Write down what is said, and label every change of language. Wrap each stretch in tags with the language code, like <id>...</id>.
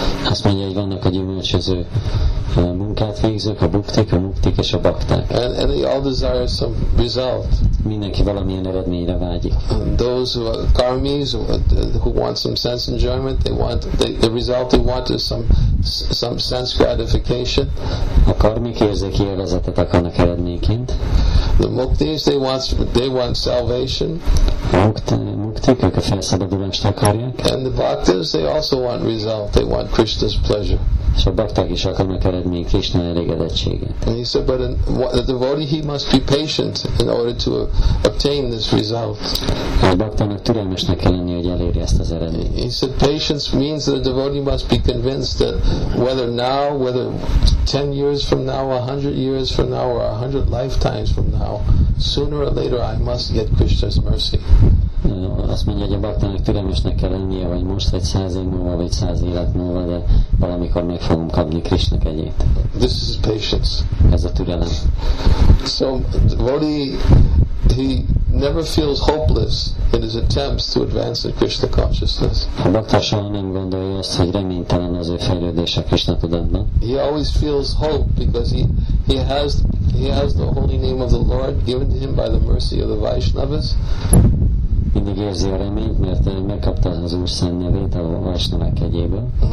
<hu>Azt mondja, hogy vannak a gyümölcsöző munkát végzők, a bukték, a muktik és a bakták.</hu> <en>And they all desire some result.</en> <hu>Mindenki valamilyen eredményre vágyik.</hu> <en>And those who are karmis, who want some sense enjoyment, the result they want is some sense gratification.</en> <hu>A karmik érzik élvezetet akarnak eredményként.</hu> <en>The muktis, they want salvation.</en> <hu>A muktik, ők a felszabadulást akarják.</hu> <en>And the bhaktis, they also want result. They want Krishna's pleasure.</en> <hu>És a bakták is akarnak eredményt, Krishna elégedettséget.</hu> <en>And he said, but the devotee, he must be patient in order to obtain this result.</en> <hu>A baktának türelmesnek kell lenni, hogy elérje ezt az eredményt.</hu> <en>He said, patience means that the devotee must be convinced that whether now, whether 10 years from now, 100 years from now, or 100 lifetimes from now, sooner or later I must get Krishna's mercy.</en> <hu>Azt mondja, hogy a baktának türelmesnek kell lennie, vagy most, vagy 100 év múlva, vagy 100 élet múlva, de valamikor meg fogom kapni Krishna kegyét.</hu> <en>This is patience.</en> <hu>Ez a türelem.</hu> <en>So, devotee, he never feels hopeless in his attempts to advance in Krishna consciousness.</en> <hu>A bakta soha nem gondolja azt, hogy reménytelen az ő fejlődése Krishna tudatban.</hu> <en>He always feels hope because he has the holy name of the Lord given to him by the mercy of the Vaishnavas.</en> <hu>Mindig érzi a reményt, mert megkapta az Úr Szent nevét a Vaishnavák kegyéből.</hu>